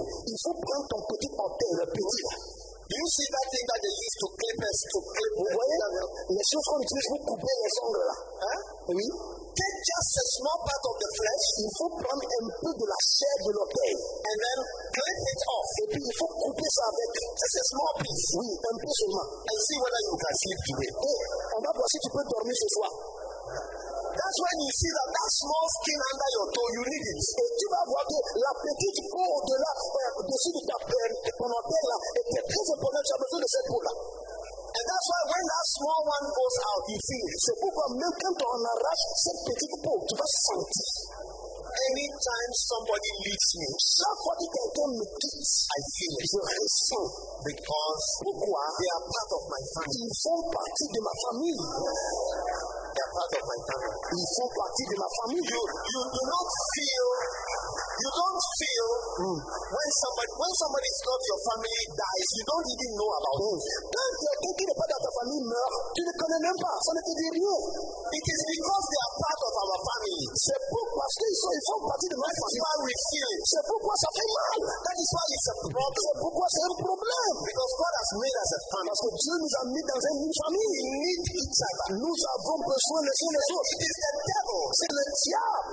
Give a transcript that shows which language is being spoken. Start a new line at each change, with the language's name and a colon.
French: Il faut prendre ton petit orteil, le petit.
English: Do you see that thing that they use to clip us, to clip?
French: Vous voyez? Les choses qu'on utilise pour couper les ongles là. Hein? Oui.
English: Take just a small part of the flesh.
French: Il faut prendre un peu de la chair de l'orteil.
English: And then clip it off.
French: Et puis il faut couper ça avec.
English: Just a small piece.
French: Oui, un peu seulement.
English: And see whether you can sleep today.
French: On va voir si tu peux dormir ce soir.
English: That's when you see that small skin under your toe, you need it.
French: Et tu vas voir que la petite peau au-delà, au-dessus de ta peau, ton orteil là, est très importante, tu as besoin de cette peau là.
English: And that's why when that small one goes out, you feel it.
French: C'est pourquoi même quand on arrache cette petite peau, tu vas sentir.
English: Anytime somebody leaves me,
French: chaque fois que quelqu'un me quitte,
English: I feel it.
French: Je ressens.
English: Because
French: pourquoi?
English: They are part of my family.
French: Ils font partie de ma famille.
English: They are part of my family.
French: Ils font partie de ma famille.
English: You do not feel. You don't feel when somebody is not your family dies, you don't even know about it.
French: Quand quelqu'un qui n'est pas dans ta famille meurt, tu ne connais même pas, ça ne te dit rien.
English: It is because they are part of our family.
French: C'est pourquoi ils font partie de ma famille. C'est pourquoi ça fait mal.
English: That is why it's a problem.
French: C'est pourquoi c'est un problème.
English: Because God has made us a family.
French: Parce que Dieu nous a mis dans une famille.
English: We need each other.
French: Nous avons besoin les uns les autres.
English: It is the devil.
French: C'est le diable.